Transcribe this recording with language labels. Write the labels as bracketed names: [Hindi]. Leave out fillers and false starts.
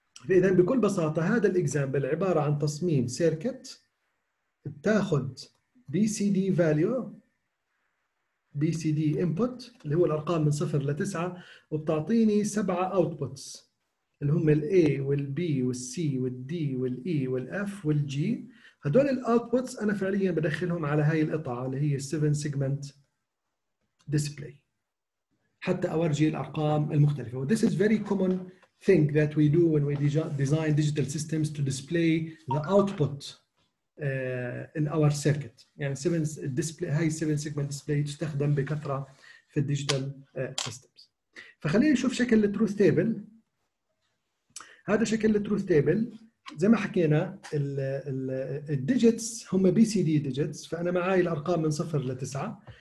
[Arabic] إذن بكل بساطة هذا الإجزامبل عبارة عن تصميم سيركت بتاخد BCD value BCD input اللي هو الأرقام من 0 ل 9 وبتعطيني 7 outputs اللي هم الـ A والـ B والـ C والـ D والـ E والـ F والـ G. هدول الـ outputs أنا فعليا بدخلهم على هاي القطعة اللي هي 7 segment display حتى أورجي الأرقام المختلفة. [English] This is very common thing that we do when we design digital systems to display the output in our circuit. [Arabic] يعني 7 display هاي 7 segment display تستخدم بكثرة في digital systems. فخلينا نشوف شكل الـ truth table. هذا شكل الـ truth table. زي ما حكينا الـ digits هم BCD digits، فأنا معاي الأرقام من 0 ل 9.